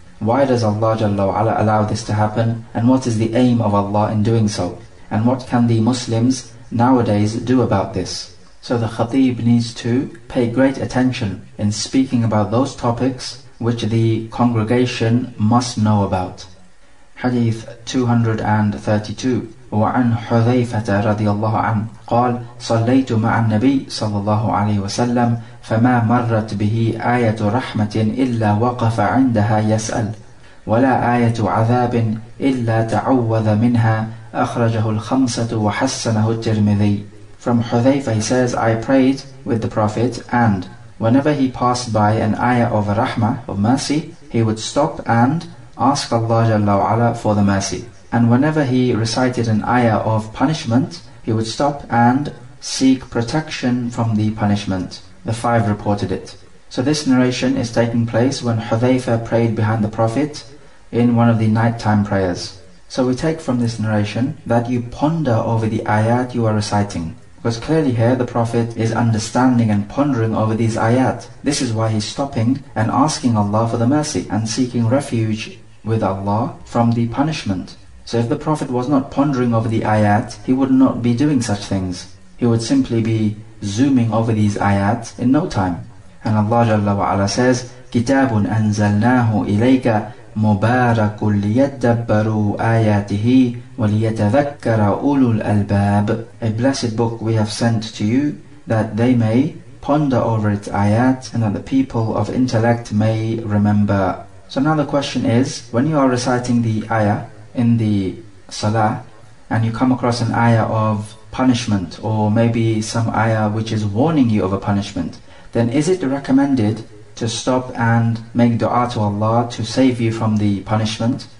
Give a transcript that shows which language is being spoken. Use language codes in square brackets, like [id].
[en] Why does Allah Jalla wa Ala allow this to happen? And what is the aim of Allah in doing so? And what can the Muslims nowadays do about this? So the khatib needs to pay great attention in speaking about those topics which the congregation must know about. Hadith 232. [ar] وعن حذيفة رضي الله عنه قال صليت مع النبي صلى الله عليه وسلم فما مرت به آية رحمة إلا وقف عندها يسأل ولا آية عذاب إلا تعوذ منها أخرجه الخمسة وحسنه الترمذي. [en] From Hudhayfa he says, I prayed with the Prophet and whenever he passed by an ayah of rahmah, of mercy, he would stop and ask Allah Jalla wa Ala for the mercy. And whenever he recited an ayah of punishment, he would stop and seek protection from the punishment. The five reported it. So this narration is taking place when Hudhayfa prayed behind the Prophet in one of the nighttime prayers. So we take from this narration that you ponder over the ayat you are reciting. Because clearly here the Prophet is understanding and pondering over these ayat. This is why he's stopping and asking Allah for the mercy and seeking refuge with Allah from the punishment. So if the Prophet was not pondering over the ayat, he would not be doing such things. He would simply be zooming over these ayat in no time. And Allah Jalla wa Ala says, [ar] كِتَابٌ أَنزَلْنَاهُ إِلَيْكَ مُبَارَكٌ لِيَتَّبَّرُوا آيَاتِهِ وَلِيَتَذَكَّرَ أُولُو الْأَلْبَابِ. [en] A blessed book we have sent to you, that they may ponder over its ayat, and that the people of intellect may remember. So now the question is, when you are reciting the ayah in the salah, and you come across an ayah of punishment, or maybe some ayah which is warning you of a punishment, then is it recommended to stop and make dua to Allah to save you from the punishment?